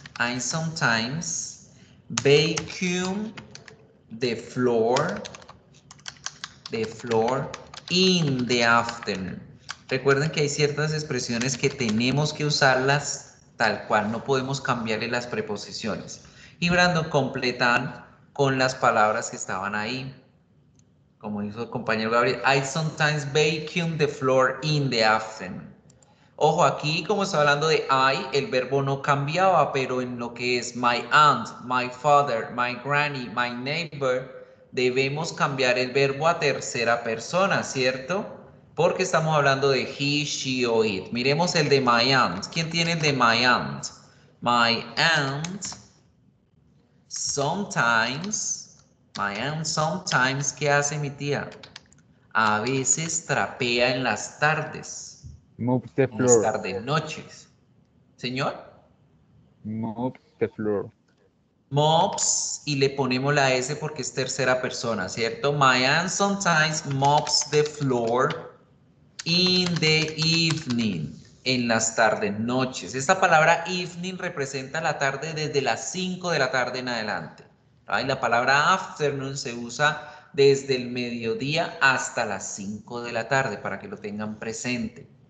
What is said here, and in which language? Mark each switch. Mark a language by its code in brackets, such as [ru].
[en] I sometimes vacuum the floor in the afternoon. [es] Recuerden que hay ciertas expresiones que tenemos que usarlas tal cual. No podemos cambiarle las preposiciones. Y Brandon completan con las palabras que estaban ahí. Como hizo el compañero [en] Gabriel, I sometimes vacuum the floor in the afternoon. [es] Ojo, aquí como está hablando de I, el verbo no cambiaba, pero en lo que es [en] my aunt, my father, my granny, my neighbor, [es] debemos cambiar el verbo a tercera persona, ¿cierto? Porque estamos hablando de he, she o it. Miremos el de my aunt. ¿Quién tiene el de my aunt? My aunt... [en] Sometimes, my aunt sometimes, [es] ¿qué hace mi tía? A veces trapea en las tardes. [en] Move the floor. [es] En las tardes noches. ¿Señor? [en] Move the floor. [es] Mops, y le ponemos la S porque es tercera persona, ¿cierto? [en] My aunt sometimes mops the floor in the evening. [es] En las tardes, noches. Esta palabra evening representa la tarde desde las 5 de la tarde en adelante. ¿Vale? La palabra afternoon se usa desde el mediodía hasta las 5 de la tarde, para que lo tengan presente.